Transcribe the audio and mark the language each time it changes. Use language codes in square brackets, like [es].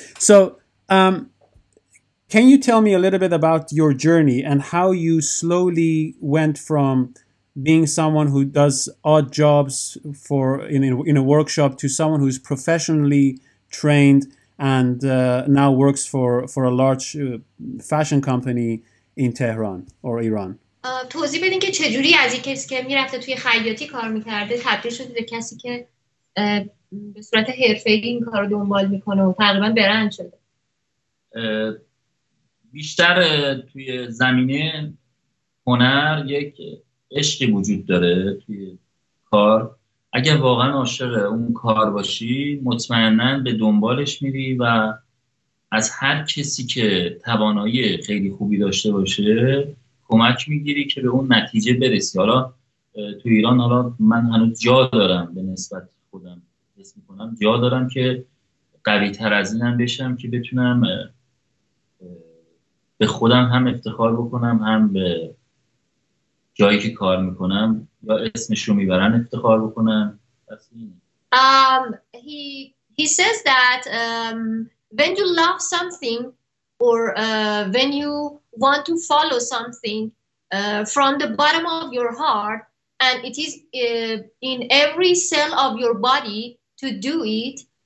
[en] So, can you tell me a little bit about your journey and how you slowly went from being someone who does odd jobs for in a workshop to someone who's professionally trained and now works for a large fashion company in Tehran or Iran? [fa] توضیح بدین که چجوری از یک کسی که میرفته توی خیاطی کار میکرده تبدیل شده به کسی که به صورت حرفه‌ای این کار رو دنبال میکنه و تقریبا برند شده. بیشتر توی زمینه هنر یک عشقی وجود داره توی کار. اگر واقعا عاشق اون کار باشی مطمئنن به دنبالش میری و از هر کسی که توانایی خیلی خوبی داشته باشه کمک میگیری که به اون نتیجه برسی. حالا تو ایران حالا من هنوز جا دارم به نسبت خودم اسم کنم جا دارم که قوی تر از اینم بشم که بتونم به خودم هم افتخار بکنم هم به جایی که کار میکنم یا اسمش رو میبرن افتخار بکنم. [en] He says that when you love something or when you want to follow something from the bottom of your heart and it is in every cell of your body to do it,